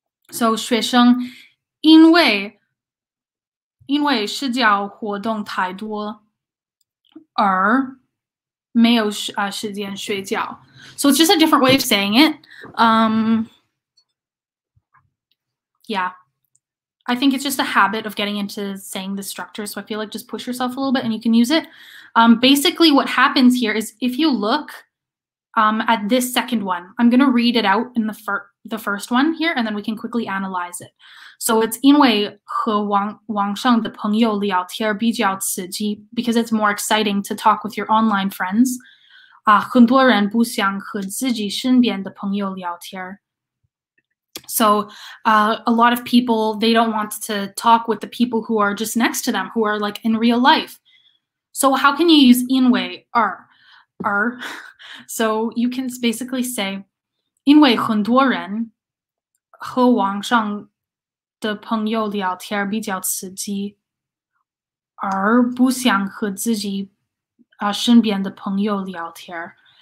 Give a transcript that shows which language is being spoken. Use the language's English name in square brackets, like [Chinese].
[Chinese] So 学生因为社交活动太多而没有时间睡觉. [English] So it's just a different way of saying it. Yeah. I think it's just a habit of getting into saying the structure. So I feel like just push yourself a little bit and you can use it. Basically what happens here is if you look at this second one, I'm going to read it out in the first one here, and then we can quickly analyze it. So it's [Chinese] 因为和网上的朋友聊天比较刺激, [English] because it's more exciting to talk with your online friends. [Chinese] 很多人不想和自己身边的朋友聊天. [English] So a lot of people, they don't want to talk with the people who are just next to them, who are like in real life. So how can you use 因为, are? So you can basically say, [Chinese] 因为很多人和网上的朋友聊天比较刺激，而不想和自己身边的朋友聊天。